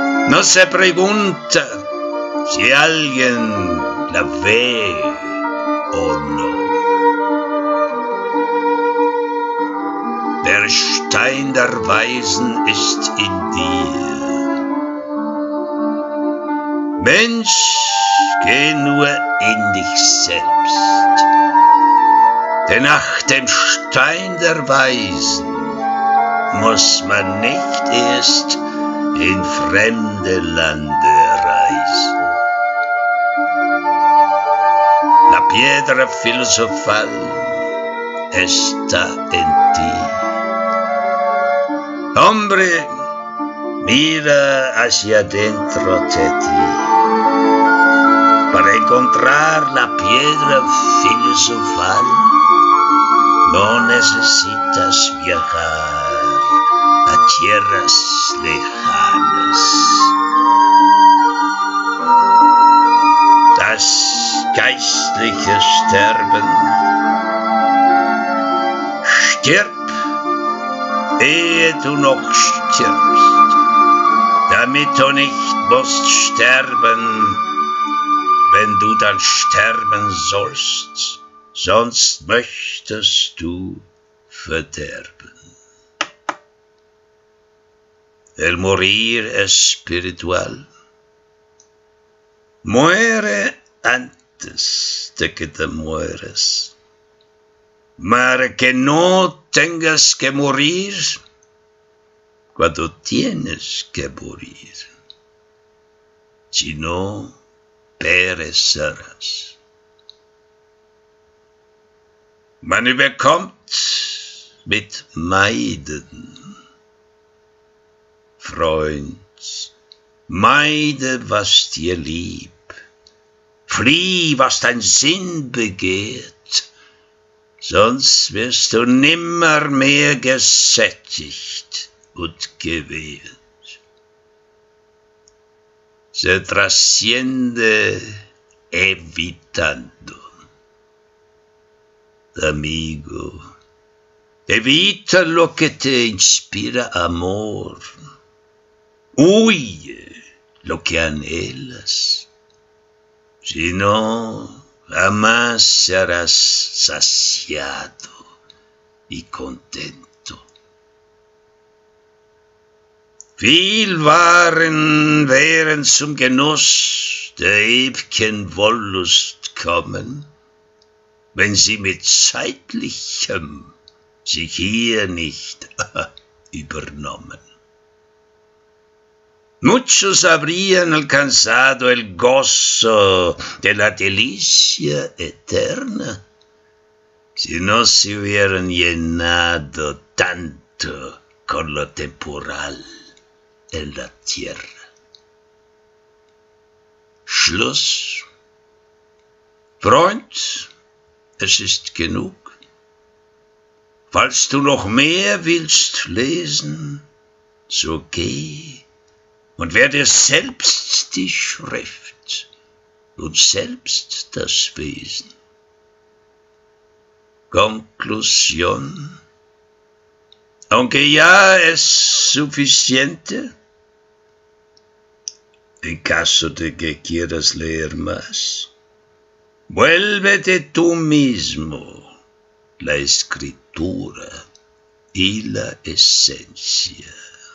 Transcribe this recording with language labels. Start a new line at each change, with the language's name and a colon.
Spanish: No se pregunta si alguien la ve o no.
German: Der Stein der Weisen ist in dir. Mensch, geh nur in dich selbst. Denn nach dem Stein der Weisen muss man nicht erst in fremde Lande reisen.
Spanish: La piedra filosofal está en ti. Hombre, mira hacia dentro de ti para encontrar la piedra filosofal. No necesitas viajar a tierras lejanas.
German: Das geistliche Sterben. Stirb, ehe du noch stirbst, damit du nicht musst sterben, wenn du dann sterben sollst. Sonst möchtest du verderben.
Spanish: El morir espiritual. Muere antes de que te mueres. Para que no tengas que morir cuando tienes que morir. Si no, perecerás.
German: Man überkommt mit Meiden. Freund, meide, was dir lieb. Flieh, was dein Sinn begehrt. Sonst wirst du nimmer mehr gesättigt und gewählt.
Spanish: Se trasciende evitando. amigo. Evita lo que te inspira amor. Huye lo que anhelas. Si no, jamás serás saciado y contento.
German: Viel waren Wehren zum Genuss der ewigen Wollust kommen, wenn sie mit Zeitlichem sich hier nicht übernommen.
Spanish: Muchos habrían alcanzado el gozo de la delicia eterna si no se hubieran llenado tanto con lo temporal en la tierra.
German: Schluss. Freund, es ist genug. Falls du noch mehr willst lesen, so geh und werde selbst die Schrift und selbst das Wesen.
Spanish: Conclusión. Aunque ya es suficiente, en caso de que quieras leer más, vuélvete tú mismo la escritura y la esencia.